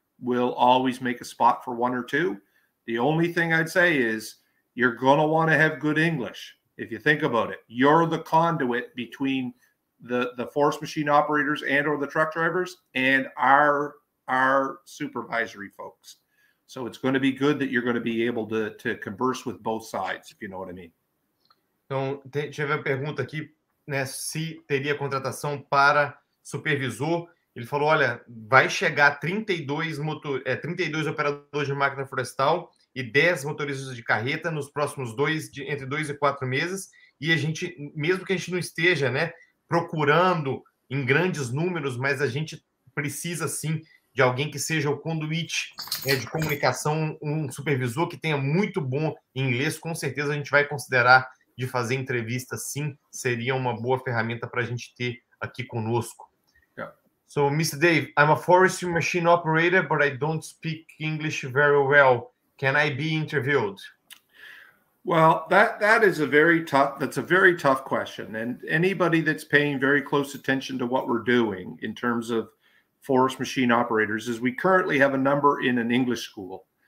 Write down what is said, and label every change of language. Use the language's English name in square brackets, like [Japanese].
[English] We'll always make a spot for one or two. The only thing I'd say is you're going to want to have good English. If you think about it, you're the conduit between the forest machine operators and or the truck drivers and our supervisory folks. So it's going to be good that you're going to be able to converse with both sides, if you know what I mean. [Portuguese] Então, tive uma pergunta aqui, né, se teria contratação para supervisor. Ele falou, olha, vai chegar 32 operadores de máquina florestal e 10 motoristas de carreta nos próximos entre 2 e 4 meses. E a gente, mesmo que a gente não esteja, né, procurando em grandes números, mas a gente precisa, sim, de alguém que seja o conduíte, né, de comunicação, um supervisor que tenha muito bom inglês, com certeza a gente vai considerar de fazer entrevista, sim, seria uma boa ferramenta para a gente ter aqui conosco. [English] Yeah. So, Mr. Dave, I'm a forestry machine operator, but I don't speak English very well. Can I be interviewed? Well, that's a very tough question. And anybody that's paying very close attention to what we're doing in terms of forest machine operators is we currently have a number in an English school.